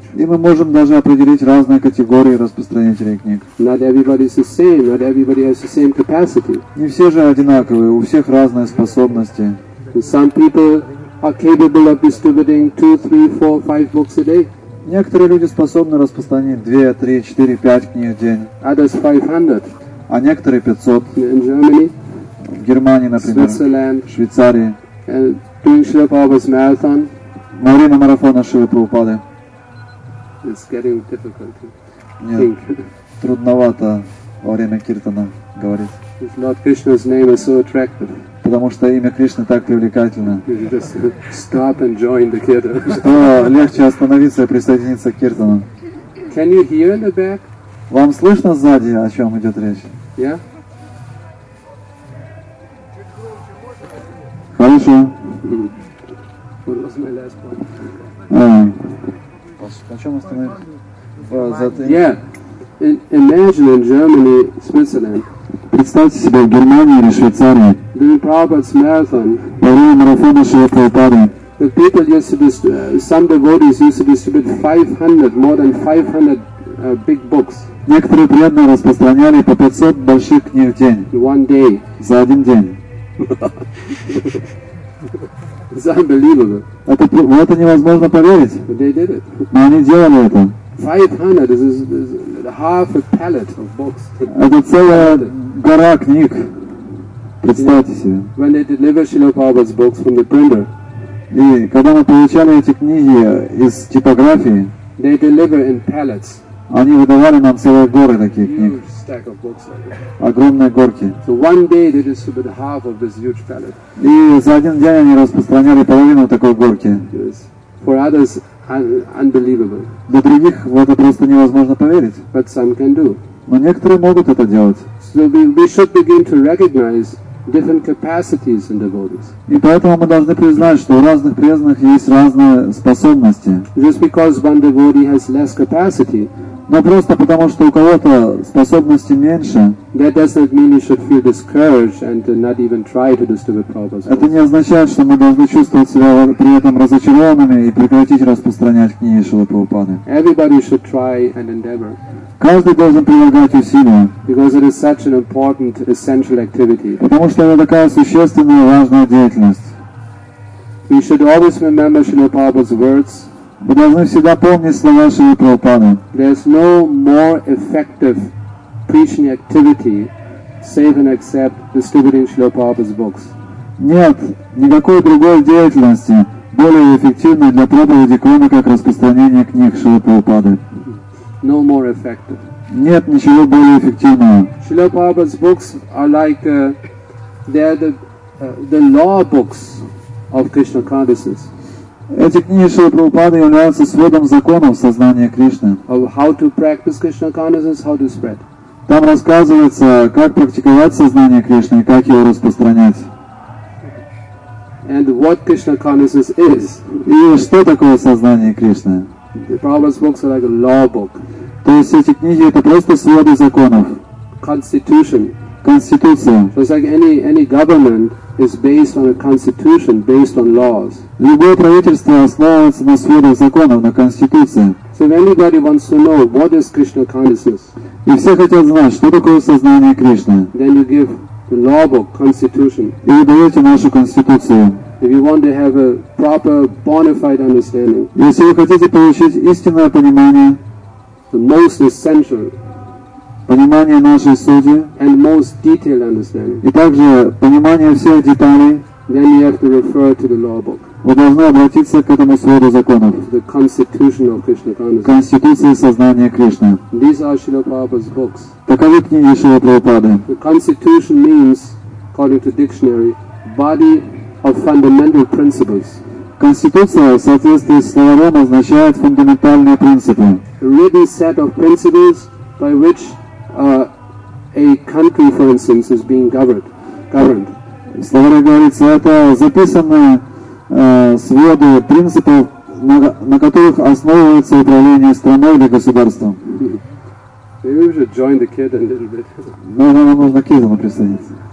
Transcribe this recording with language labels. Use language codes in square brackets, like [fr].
[ru] И мы можем даже определить разные категории распространителей книг. [en] Not everybody is the same. Not everybody has the same capacity. [ru] Не все же одинаковые. У всех разные способности. [en] Some people are capable of distributing 2, 3, 4, 5 books a day. [ru] Некоторые люди способны распространить 2, 3, 4, 5 книг в день. [en] Others 500. [ru] А некоторые 500. [en] In Germany. [ru] в Германии, например, в Швейцарии. [en] During Srila Prabhupada's marathon, [ru] во время марафона Шрилы Прабхупады, [en] it's getting difficult to think. [ru] Трудновато во время киртана говорить. [en] His Lord Krishna's name is so attractive. [ru] Потому что имя Кришны так привлекательно. [en] Stop and join the kirtan. [ru] Что легче остановиться и присоединиться к киртану. [en] Can you hear in the back? [ru] Вам слышно сзади, о чем идет речь? [en] Yeah? [ru] Хорошо. [en] What was my last point? [ru] На чем остановились? [en] Yeah. Imagine in Germany, Switzerland. [ru] Представьте себе в Германии или Швейцарии. [en] During Prabhupada's marathon. [ru] Во время марафона Шрилы Прабхупады. [en] The people used to some devotees used to distribute 500 more than 500 big books. [ru] Некоторые преданные распространяли по 500 больших книг в день. [en] One day. [ru] За один день. [en] It's unbelievable. [ru] Это невозможно поверить. [en] But they did it. [ru] Но они делали это. [en] 500 is half a pallet of books. [ru] Это целая гора книг. Представьте себе. [en] When they deliver Srila Prabhupada's books from the printer. [ru] И когда мы получали эти книги из типографии, [en] they deliver in pallets. [ru] Они выдавали нам целые горы таких книг. Огромные горки. [en] So one day they distributed half of this huge pallet. [ru] И за один день они распространяли половину такой горки. [en] For others, unbelievable. [ru] Для других в это просто невозможно поверить. [en] But some can do. [ru] Но некоторые могут это делать. [en] So we should begin to recognize different capacities in devotees. [ru] И поэтому мы должны признать, что у разных преданных есть разные способности. [en] Just because one devotee has less capacity. [ru] Но просто потому, что у кого-то способности меньше. [en] That doesn't mean you should feel discouraged and not even try to distribute Prabhupada's books. [ru] Это не означает, что мы должны чувствовать себя при этом разочарованными и прекратить распространять книги Шрилы Прабхупады. [en] Everybody should try and endeavor. [ru] Каждый должен прилагать усилия. [en] Because it is such an important, essential activity. [ru] Потому что это такая существенная и важная деятельность. [en] We should always remember Srila Prabhupada's words. [ru] Мы должны всегда помнить слова Шрилы Прабхупады. [en] There's no more effective preaching activity, save and except distributing Srila Prabhupada's books. [ru] Нет никакой другой деятельности более эффективной для проповеди, кроме как распространение книг Шрилы Прабхупады. [en] No more effective. [ru] Нет ничего более эффективного. [en] Srila Prabhupada's books are like they're the law books of Krishna consciousness. [ru] Эти книги Шрилы Прабхупады являются сводом законов сознания Кришны. [en] How to practice Krishna consciousness, how to spread. [ru] Там рассказывается, как практиковать сознание Кришны и как его распространять. [en] And what Krishna consciousness is. [ru] И что такое сознание Кришны? [en] The Prabhupada's books are like a law book. [ru] То есть эти книги это просто своды законов. [en] Constitution. [ru] Конституция. [en] So it's like any government is based on a constitution, based on laws. [ru] Любое правительство основывается на сводах законов, на конституции. [en] So if anybody wants to know what is Krishna consciousness, [ru] и все хотят знать, что такое сознание Кришны, [en] then you give the law book, constitution. [ru] И вы даете нашу конституцию. [en] If you want to have a proper, bona fide understanding, [ru] если вы хотите получить истинное понимание, [en] the most essential. [ru] Понимание нашей сути [en] and most detailed understanding. [ru] И также понимание всех деталей, [en] then you have to refer to the law book. [ru] Вы должны обратиться к этому своду законов. [en] The constitution of Krishna consciousness. [ru] Конституция сознания Кришны. [en] These are Srila Prabhupada's books. [ru] Таковы книги Шрилы Прабхупады. [en] The constitution means, according to dictionary, body of fundamental principles. [ru] Конституция, в соответствии с словом, означает фундаментальные принципы. [en] A written set of principles by which a country, for instance, is being governed. [ru] Словарь говорится, это записанные своды принципов, на которых основывается управление страной или государством. [en] Maybe we should join the kid a little bit. [ru] Ну, нам нужно кидом присоединиться.